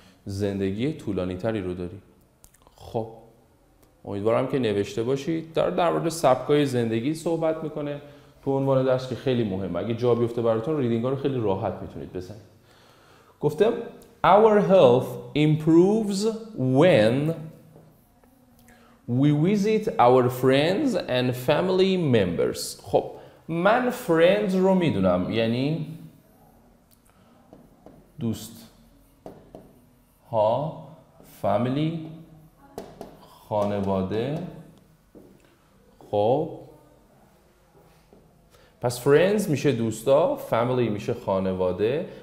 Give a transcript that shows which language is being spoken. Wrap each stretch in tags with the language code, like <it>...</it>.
<fa>زندگی طولانی تری رو داری. خب امیدوارم که نوشته باشید. در مورد سبکای زندگی صحبت میکنه تو عنوان درس که خیلی مهمه. اگه جا بیفته براتون ریدینگ ها رو خیلی راحت میتونید بزنید. گفتم</fa> <en>Our health improves when we visit our friends and family members.</en> <fa>خب من friends رو میدونم، یعنی دوست ها، family، خانواده. خب پس friends میشه دوستا، family میشه خانواده.</fa>